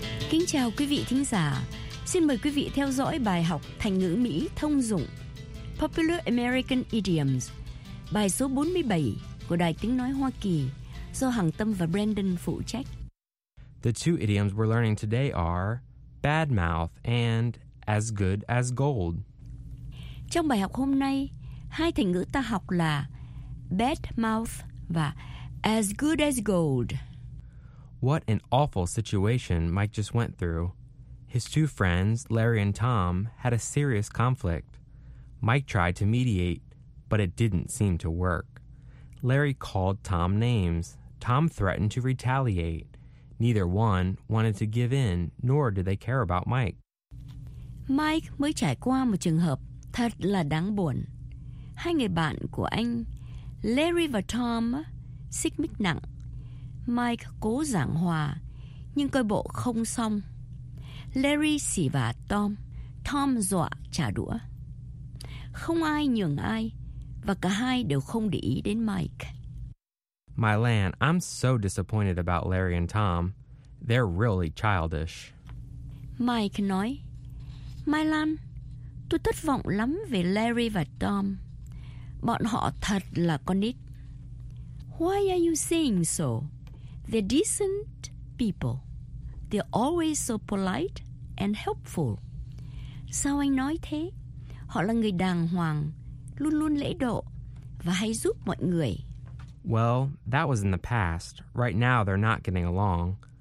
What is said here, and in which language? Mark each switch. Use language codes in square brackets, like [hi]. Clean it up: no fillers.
[vi] Kính chào quý vị thính giả. Xin mời quý vị theo dõi bài học thành ngữ Mỹ thông dụng [en] Popular American Idioms, [vi] bài số 47 của Đài Tiếng Nói Hoa Kỳ do Hằng Tâm và Brandon phụ trách. [en] The two idioms we're learning today are bad mouth and as good as gold. [vi] Trong bài học hôm nay, hai thành ngữ ta học là [en] bad mouth [vi] và [en] as good as gold. What an awful situation Mike just went through. His two friends, Larry and Tom, had a serious conflict. Mike tried to mediate, but it didn't seem to work. Larry called Tom names. Tom threatened to retaliate. Neither one wanted to give in, nor did they care about Mike. [vi] Mike mới trải qua một trường hợp thật là đáng buồn. Hai người bạn của anh, Larry và Tom, xích mích nặng. Mike cố giảng hòa, nhưng coi bộ không xong. Larry xỉ vả Tom, Tom dọa trả đũa. Không ai nhường ai, và cả hai đều không để ý đến Mike. [en] My land, I'm so disappointed about Larry and Tom. They're really childish. [vi] Mike nói, [en] My land, [vi] tôi thất vọng lắm về Larry và Tom. Bọn họ thật là con nít. [en] Why are you saying so? They're decent people. They're always so polite and helpful. [vi] Sao anh nói thế? Họ là người đàng hoàng, luôn luôn lễ độ và hay giúp mọi người. [en] Well, that was in the past. Right now they're not getting along.